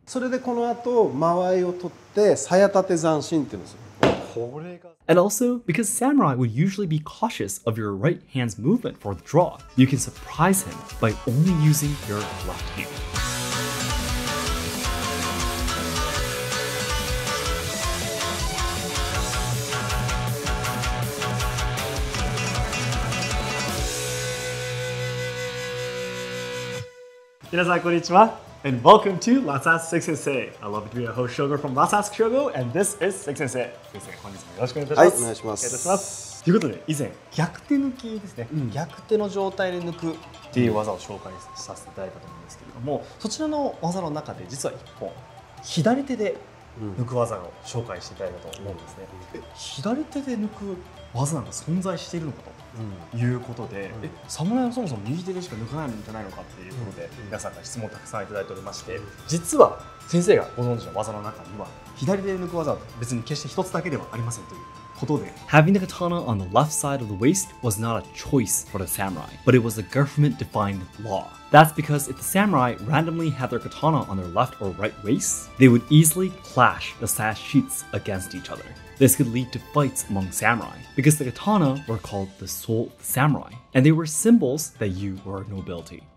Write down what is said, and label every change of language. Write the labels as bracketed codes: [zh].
[ja] それでこの後、間合いを取って、さやたて斬新って言うんですよ。 [en] And also, because samurai would usually be cautious of your right hand's movement for the draw, you can surprise him by only using your left hand. [ja] Minasan konnichiwa, [en] and welcome to Latsas Seki Sensei. I love to be your host, Shogo from Latsas Shogo, and this is Seki Sensei. [ja] よろしくお願いいたします。はい、お願いします。いたします。ということで、以前、逆手抜きですね、うん。逆手の状態で抜くっていう技を紹介させていただいたと思うんですけれども、そちらの技の中で、実は1本、左手で抜く技を紹介していただいたと思うんですね。うん、左手で抜く技なんか存在しているのかということで、うんうん、侍はそもそも右手でしか抜かないんじゃないのかっていうことで、うんうん、皆さんから質問をたくさんいただいておりまして、実は、先生がご存知の技の中には、左で抜く技は別に決して一つだけではありませんということで。 [en] Having the katana on the left side of the waist was not a choice for the samurai, but it was a government-defined law. That's because if the samurai randomly had their katana on their left or right waist, they would easily clash the sash sheets against each other. This could lead to fights among samurai, because the katana were called the soul of the samurai, and they were symbols that you were nobility.